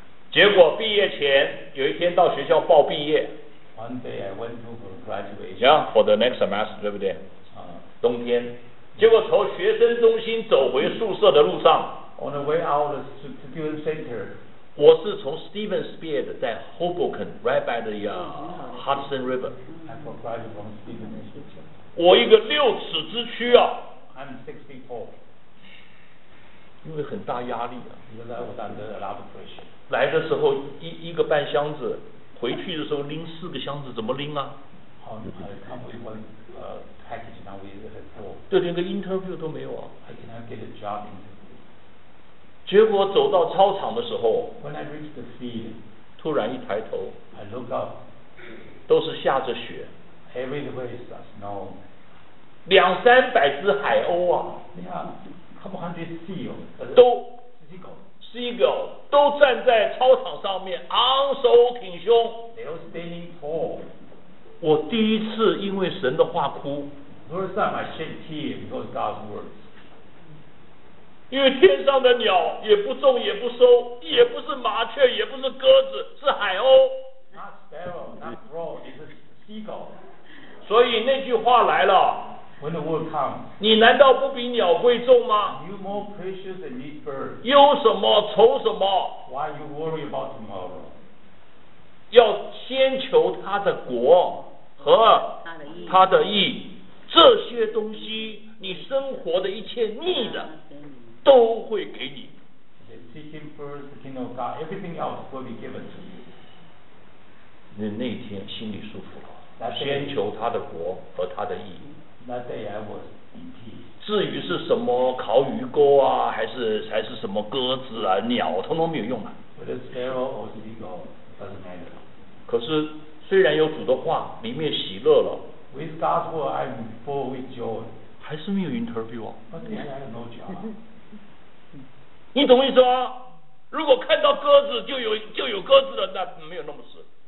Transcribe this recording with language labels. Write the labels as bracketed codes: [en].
[zh] 结果毕业前有一天到学校报毕业。 [en] One day I went to graduation. Yeah, for the next semester, [zh] 对不对？冬天。结果从学生中心走回宿舍的路上 [en] ，On the way out of the student center， [zh] 我是从 Stephen Spear 在 Hoboken， [en] right by the Hudson River。 I was graduating from Stephen Spear. [zh] 我一个六尺之躯啊 [en] ！I'm 64. [zh] 因为很大压力啊。 [en] Because I was under a lot of pressure. [zh] 来的时候一个半箱子，回去的时候拎四个箱子，怎么拎啊？ [en] 好，I come with one package now we have four. [zh] 对，连个 interview 都没有啊。 [en] I cannot get a job interview. [zh] 结果走到操场的时候 [en] ，When I reach the field， [zh] 突然一抬头 [en] ，I look up， [zh] 都是下着雪 [en] ，Everywhere is snow， [zh] 两三百只海鸥啊 [en] ，Yeah， couple hundred seal， [zh] 都。 Seagull 都站在操场上面，昂首挺胸。 [en] They are standing tall. [zh] 我第一次因为神的话哭。 [en] First time I shed tears because God's words. [zh] 因为天上的鸟也不种也不收，也不是麻雀，也不是鸽子，是海鸥。 [en] Not sparrow, not crow, it's a seagull. [zh] 所以那句话来了。 [en] When the world comes, [zh] 你难道不比鸟贵重吗？ [en] You more precious than these birds. [zh] 忧什么愁什么？ [en] Why you worry about tomorrow? [zh] 要先求他的国和他的义，这些东西你生活的一切腻的都会给你。 [en] Seek him first, the kingdom of God, everything else will be given to you. [zh] 那天心里舒服了，先求他的国和他的义。 [en] That day I was in peace. [zh] 至于是什么烤鱼锅啊，还是什么鸽子啊、鸟，通通没有用啊。 [en] Whether sparrow or seagull doesn't matter. [zh] 可是虽然有主的话，里面喜乐了。 [en] With God's word, I'm full with joy. [zh] 还是没有 interview 啊。 [en] But then I have no job. [zh] 你懂意思吗？如果看到鸽子就有鸽子的，那没有那么事。